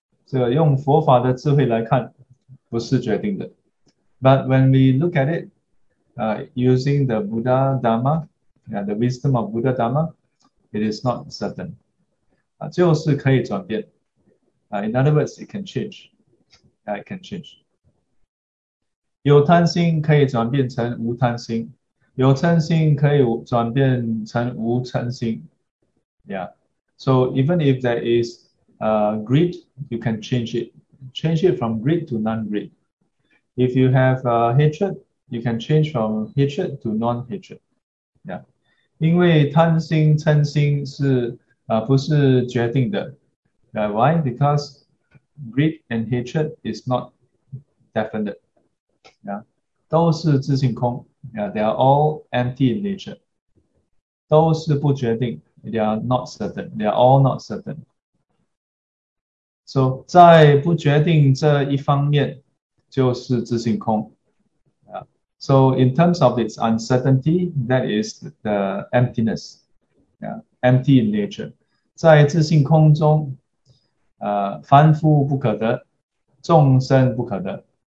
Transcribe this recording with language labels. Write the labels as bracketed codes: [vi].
[zh] 但用佛法的智慧来看, 不是决定的. [en] But when we look at it, using the Buddha Dharma, the wisdom of Buddha Dharma, it is not certain. [zh] 就是可以转变. [en] In other words, it can change. It can change. [zh] 有贪心可以转变成无贪心, 有嗔心可以转变成无嗔心. [en] So even if there is greed, you can change it. Change it from greed to non-greed. If you have hatred, you can change from hatred to non-hatred. [zh] 因为贪心嗔心是不是决定的. [en] Why? Because greed and hatred is not definite. [zh] 都是自性空, [en] they are all empty in nature. [zh] 都是不决定, [en] they are not certain, they are all not certain. [zh] So, 在不决定这一方面就是自性空. [en] So, in terms of its uncertainty, that is the emptiness, empty in nature. [zh] 在自性空中, 凡夫不可得, 众生不可得.